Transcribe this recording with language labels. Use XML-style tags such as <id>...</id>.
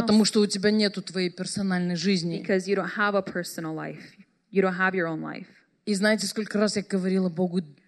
<ru>Потому что у тебя нету твоей персональной жизни.</ru> <en>Because you don't have a personal life. You don't have your own life.</en> <ru>И знаете, сколько раз я говорила Богу?</ru>